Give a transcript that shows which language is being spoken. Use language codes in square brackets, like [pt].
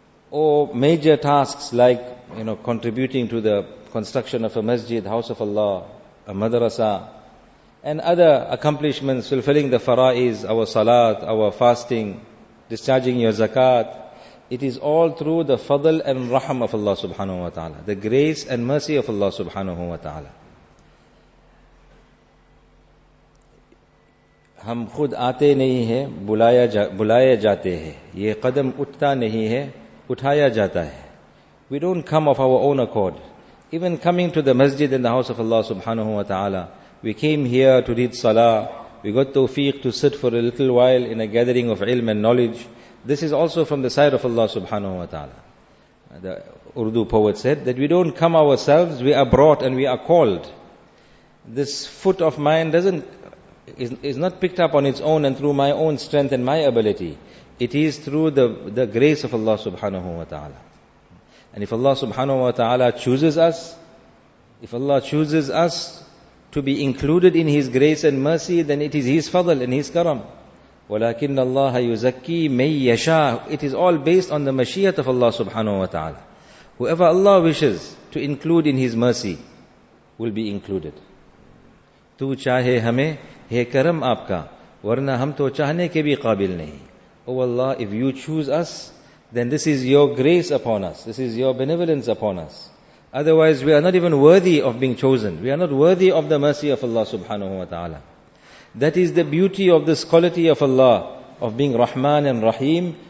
[en] or major tasks like, you know, contributing to the construction of a masjid, house of Allah, a madrasa, and other accomplishments, fulfilling the fara'is, our salat, our fasting, discharging your zakat, it is all through the fadl and rahm of Allah subhanahu wa ta'ala, the grace and mercy of Allah subhanahu wa ta'ala. [ur] ہم خود آتے نہیں ہیں بلائے جاتے ہیں یہ قدم اٹھتا نہیں ہے اٹھایا جاتا ہے. [en] We don't come of our own accord. Even coming to the masjid in the house of Allah subhanahu wa ta'ala, we came here to read salah, we got tawfiq to sit for a little while in a gathering of ilm and knowledge. This is also from the side of Allah subhanahu wa ta'ala. The Urdu poet said that we don't come ourselves, we are brought and we are called. This foot of mine is not picked up on its own and through my own strength and my ability. It is through the grace of Allah subhanahu wa ta'ala. And if Allah subhanahu wa ta'ala chooses us, if Allah chooses us to be included in His grace and mercy, then it is His fadl and His karam. [ar] وَلَكِنَّ اللَّهَ يُزَكِّي مَنْ يَشَاءُ. [en] It is all based on the mashiyat of Allah subhanahu wa ta'ala. Whoever Allah wishes to include in His mercy will be included. [ur] تو چاہے ہمیں ہے کرم آپ کا ورنہ ہم تو چاہنے کے بھی قابل نہیں. [en] Oh Allah, if you choose us, then this is your grace upon us. This is your benevolence upon us. Otherwise, we are not even worthy of being chosen. We are not worthy of the mercy of Allah subhanahu wa ta'ala. That is the beauty of this quality of Allah, of being Rahman and Rahim.